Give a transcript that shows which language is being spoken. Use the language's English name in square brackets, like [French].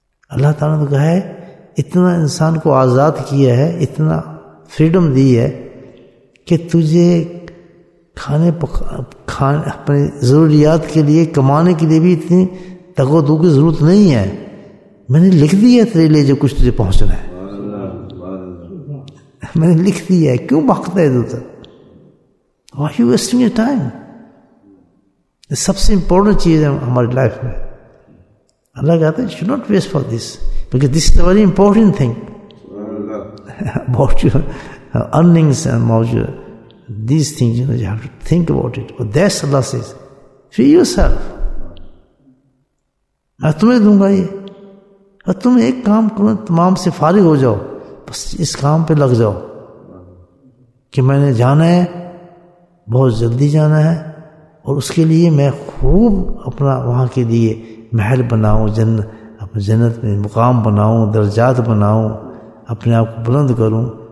[Urdu] اللہ تعالیٰ نے کہا ہے اتنا انسان کو آزاد کیا ہے, اتنا فریڈم دی ہے کہ تجھے کھانے اپنے ضروریات کے لیے, کمانے کے لیے بھی اتنی تگو دو کی ضرورت نہیں ہے. میں نے لکھ دیا تیرے لیے جو کچھ تجھے پہنچنا ہے, میں نے لکھ دیا ہے, کیوں بھاگتا ہے ادھر ادھر؟ [English] Why you wasting your time? [Urdu] یہ سب سے امپورٹنٹ چیز ہے ہماری لائف میں. اللہ کہتے ہیں [English] should not waste for this because this is a very important thing about your earnings and about your these things, you know, you have to think about it. But that's Allah says free yourself, [Urdu] میں تمہیں دوں گا یہ, اور تم ایک کام کرو, تمام سے فارغ ہو جاؤ, بس اس کام پہ لگ جاؤ کہ میں نے جانا ہے, بہت جلدی جانا ہے, اور اس کے لیے میں خوب اپنا وہاں کے لیے محل بناؤں, جنت میں مقام بناؤں, درجات بناؤں, اپنے آپ کو بلند کروں.